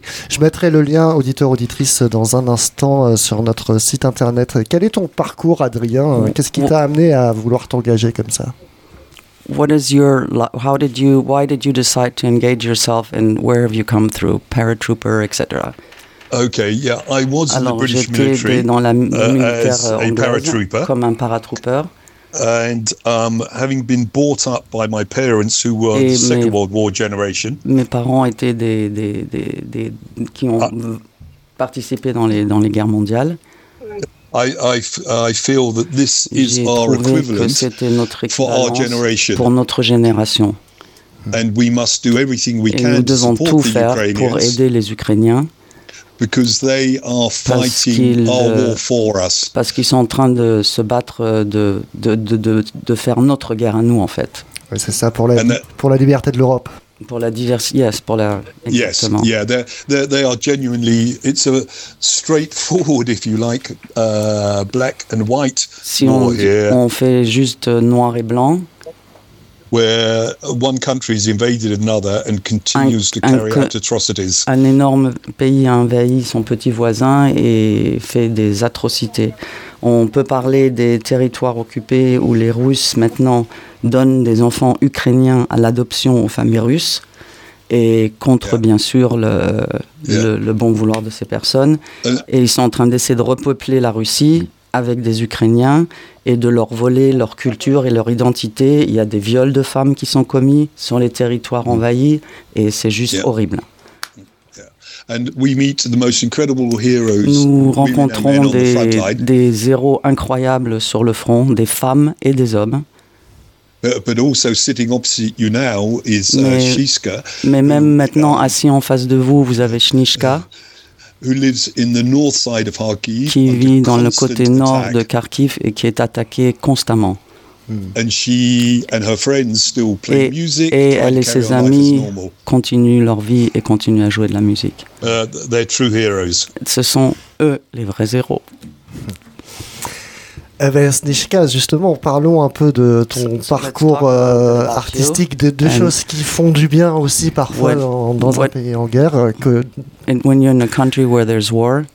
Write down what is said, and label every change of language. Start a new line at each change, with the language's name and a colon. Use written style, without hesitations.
French: Je mettrai le lien auditeur auditrice dans un instant sur notre site internet. Quel est ton parcours, Adrien? Qu'est-ce qui t'a amené à vouloir t'engager comme ça?
English: What is your how did you why did you decide to engage yourself and where have you come through paratrooper etc. Okay, yeah, I was
French: alors,
English: in the British military.
French: Alors j'étais dans la militaire anglaise comme un paratrooper.
English: And having been brought up by my parents, who were the Second World War generation,
French: mes parents étaient des qui ont participé dans les guerres mondiales.
English: I feel that this is our equivalent for our generation.
French: Pour notre génération.
English: And we must do everything we can to support the Ukrainians.
French: Pour aider les Ukrainiens.
English: Because they are fighting our war for us.
French: Parce qu'ils sont en train de se battre de faire notre guerre à nous en fait. Ouais, c'est ça pour la liberté de l'Europe. Pour la diversité,
English: yes,
French: pour la exactement.
English: Yes, yeah, they are genuinely. It's a straightforward, if you like, black and white.
French: Si on fait juste noir et blanc.
English: Where one country has invaded another and continues to carry out atrocities.
French: Un énorme pays a envahi son petit voisin et fait des atrocités. On peut parler des territoires occupés où les Russes maintenant donnent des enfants ukrainiens à l'adoption aux familles russes et contre, bien sûr, le bon vouloir de ces personnes. Et ils sont en train d'essayer de repeupler la Russie avec des Ukrainiens et de leur voler leur culture et leur identité. Il y a des viols de femmes qui sont commis sur les territoires envahis et c'est juste horrible.
English: And we meet the most incredible heroes.
French: Nous rencontrons des héros incroyables sur le front, des femmes et des hommes.
English: But also sitting opposite you now is Shishka.
French: Mais même maintenant, assis en face de vous, vous avez Shishka.
English: Who lives in the north side of Kharkiv?
French: Qui vit dans le côté nord de Kharkiv et qui est attaqué constamment.
English: And she and her friends still play music.
French: Et elle et ses amis continuent leur vie et continuent à jouer de la musique.
English: They're true heroes.
French: Ce sont eux les vrais héros. Eh bien, Snishka, justement, parlons un peu de ton parcours artistique, de choses qui font du bien aussi parfois dans un pays en guerre.
English: When you're in a country where there's war.